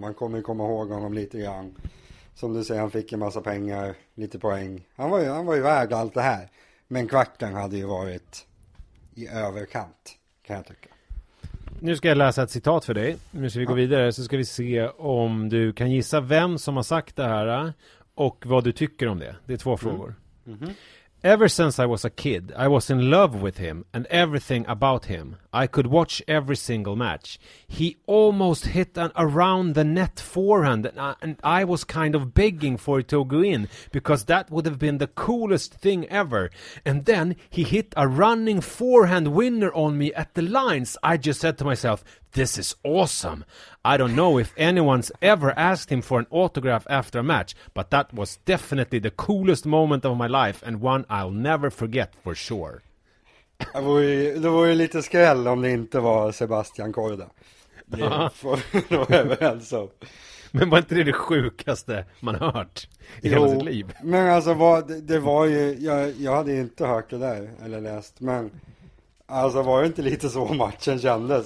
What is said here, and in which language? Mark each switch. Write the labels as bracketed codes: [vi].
[sv] Man kommer komma ihåg honom lite grann. Som du säger, han fick en massa pengar, lite poäng. Han var ju värd allt det här. Men kvarten hade ju varit i överkant, kan jag tycka. Nu ska jag läsa ett citat för dig. Nu ska vi gå vidare, så ska vi se om du kan gissa vem som har sagt det här. Och vad du tycker om det. Det är två frågor. [en] Ever since I was a kid, I was in love with him and everything about him. I could watch every single match. He almost hit an around the net forehand and I was kind of begging for it to go in because that would have been the coolest thing ever. And then he hit a running forehand winner on me at the lines. I just said to myself, this is awesome. I don't know if anyone's ever asked him for an autograph after a match, but that was definitely the coolest moment of my life and one I'll never forget for sure. [sv] Det var ju lite skräll om det inte var Sebastian Korda. Det var väl så. Men var inte det sjukaste man hört i hela sitt liv? Men alltså, det var ju, jag hade inte hört det där eller läst, men alltså var det inte lite så matchen kändes?